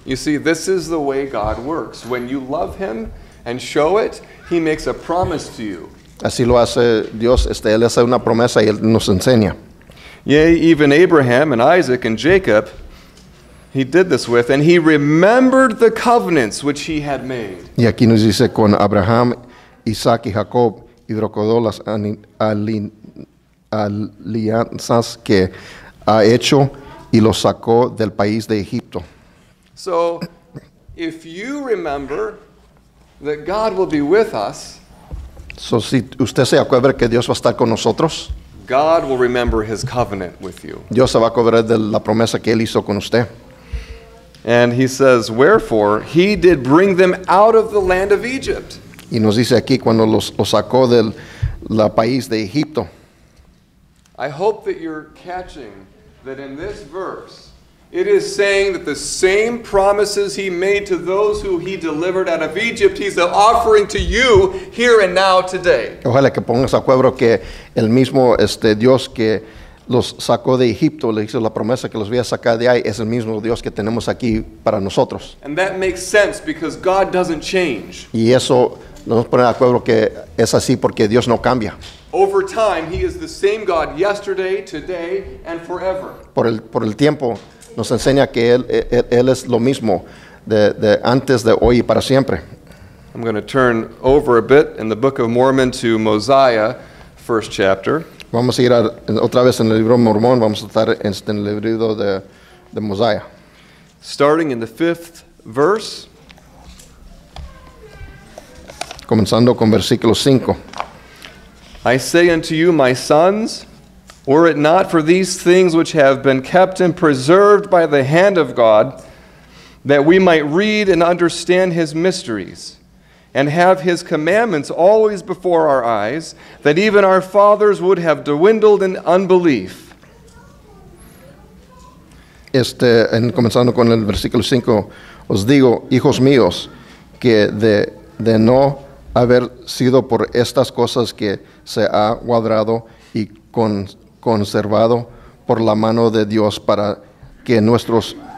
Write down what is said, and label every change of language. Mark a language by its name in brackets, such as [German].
[English] You see, this is the way God works. When you love him and show it, he makes a promise to you. [Spanish] Así lo hace Dios, él hace una promesa y él nos enseña. [English] Yea, even Abraham and Isaac and Jacob, he did this with, and he remembered the covenants which he had made. [Spanish] Y aquí nos dice con Abraham, Isaac y Jacob, y recordó las alianzas que ha hecho y los sacó del país de Egipto. [English] So, if you remember that God will be with us. [Spanish] So si usted se acuerda que Dios va a estar con nosotros. [English] God will remember his covenant with you. [Spanish] Dios se va a acordar de la promesa que él hizo con usted. [English] And he says, wherefore he did bring them out of the land of Egypt. [Spanish] Y nos dice aquí cuando los sacó del la país de Egipto. [English] I hope that you're catching that in this verse. It is saying that the same promises he made to those who he delivered out of Egypt, he's offering to you here and now today. [Spanish] Ojalá que pongas a cuadro que el mismo Dios que los sacó de Egipto, le hizo la promesa que los voy a sacar de ahí, es el mismo Dios que tenemos aquí para nosotros. [English] And that makes sense because God doesn't change. [Spanish] Y eso nos pone a cuadro que es así porque Dios no cambia. [English] Over time, he is the same God yesterday, today, and forever. [Spanish] Por el tiempo, nos enseña que él es lo mismo de antes, de hoy y para siempre. [English] I'm going to turn over a bit in the Book of Mormon to Mosiah, first chapter. [Spanish] Vamos a ir otra vez en el libro Mormón, vamos a estar en el libro de Mosiah. [English] Starting in the fifth verse. [Spanish] Comenzando con versículo 5. [English] I say unto you, my sons, were it not for these things which have been kept and preserved by the hand of God, that we might read and understand his mysteries, and have his commandments always before our eyes, that even our fathers would have dwindled in unbelief. [Spanish] En comenzando con el versículo 5, os digo, hijos míos, que de no haber sido por estas cosas que se ha guardado y conservado por la mano de Dios para que nuestros